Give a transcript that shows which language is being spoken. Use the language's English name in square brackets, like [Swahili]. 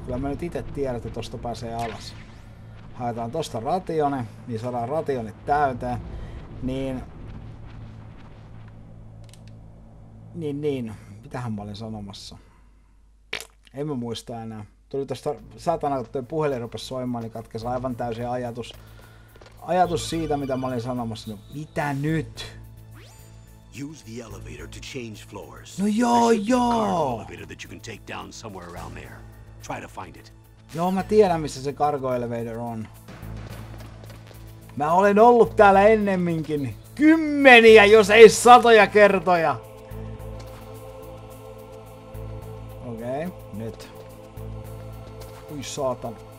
[Finnish] Kyllä mä nyt itse tiedän, että tosta pääsee alas. Haetaan tosta rationi, niin saadaan rationit täyteen, niin, mitähän mä olin sanomassa, en mä muista enää, tuli tosta satana, kun toi puhelin rupesi soimaan, niin katkesi aivan täysin ajatus siitä, mitä mä olin sanomassa, no mitä nyt? [English] Use the elevator to change floors. [Finnish] No joo, joo! [English] There should be a cargo elevator that you can take down somewhere around there, try to find it. [Finnish] Joo, mä tiedän, missä se cargo elevator on. Mä olen ollut täällä ennemminkin. Kymmeniä, jos ei satoja kertoja! Okei, nyt. Ui saatan.